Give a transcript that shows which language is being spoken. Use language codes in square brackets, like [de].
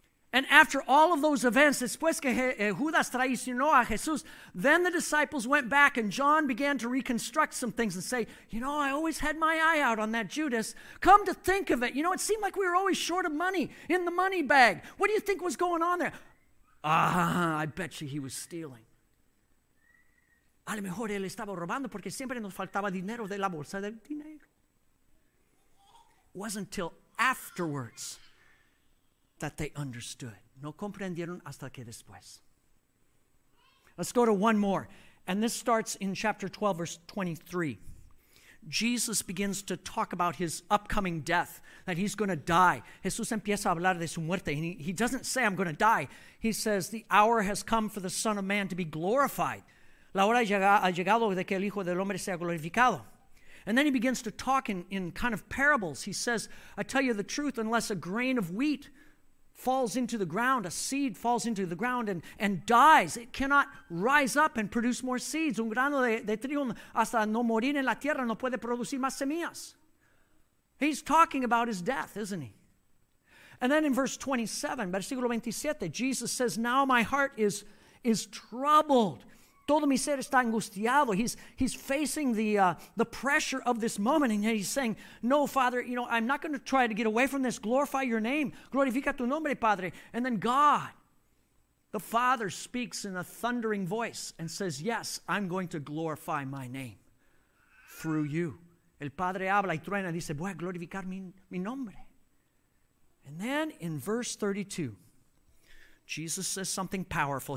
[en] And after all of those events, [es] después que Judas traicionó a Jesús, [en] then the disciples went back and John began to reconstruct some things and say, you know, I always had my eye out on that Judas. Come to think of it, you know, it seemed like we were always short of money in the money bag. What do you think was going on there? I bet you he was stealing. [es] A lo mejor él estaba robando porque siempre nos faltaba dinero de la bolsa del dinero. [en] It wasn't until afterwards that they understood. [es] No comprendieron hasta que después. [en] Let's go to one more. And this starts in chapter 12, verse 23. Jesus begins to talk about his upcoming death, that he's going to die. [es] Jesús empieza a hablar de su muerte. [en] And he doesn't say, I'm going to die. He says, the hour has come for the Son of Man to be glorified. [es] La hora ha llegado de que el Hijo del Hombre sea glorificado. [en] And then he begins to talk in kind of parables. He says, I tell you the truth, unless a grain of wheat falls into the ground, a seed falls into the ground and dies, it cannot rise up and produce more seeds. [es] Un grano de trigo hasta no morir en la tierra no puede producir más semillas. [en] He's talking about his death, isn't he? And then in verse 27, versículo 27, Jesus says, now my heart is troubled. [es] Todo mi ser está angustiado. [en] He's facing the pressure of this moment, and he's saying, no, Father, you know, I'm not going to try to get away from this. Glorify your name. [es] Glorifica tu nombre, Padre. [en] And then God, the Father, speaks in a thundering voice and says, yes, I'm going to glorify my name through you. [es] El Padre habla y truena, dice, voy a glorificar mi nombre. [en] And then in verse 32, Jesus says something powerful.